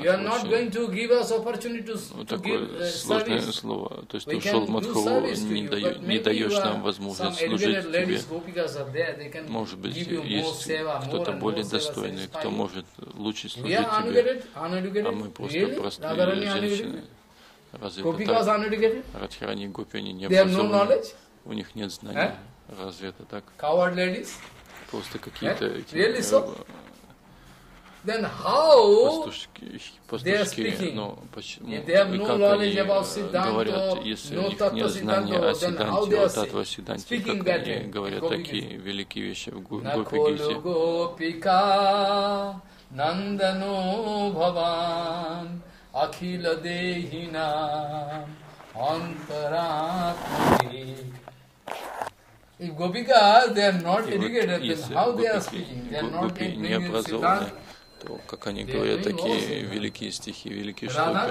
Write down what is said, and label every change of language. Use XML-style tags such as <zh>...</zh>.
<en>You are not going to give us opportunity to give</en> <ru>такое сложное</ru> <en>service.</en> <ru>Слово. То есть ты ушел в Матхуру, не даешь нам возможность служить тебе. Может быть, есть кто-то более достойный, кто может лучше служить тебе. А мы просто простые женщины. Разве это так? Радхарани и гопи, они не образованные. У них нет знаний. Разве это так?</ru> <en>Coward ladies.</en> <ru>Просто какие-то пастушки, но почему, и как они говорят, если у них нет знания о Сиддханте, о Таттва Сиддханте, как они говорят такие великие вещи в Гопи-гите.</ru> <sa>Гопика Нандано Бхаван Акхила Дехина Антаратми.</sa> <en>If Gopika, they are not educated, then how they are speaking? They are not educated.</en> <ru>То, как они говорят, такие великие стихи, великие шлоки.</ru>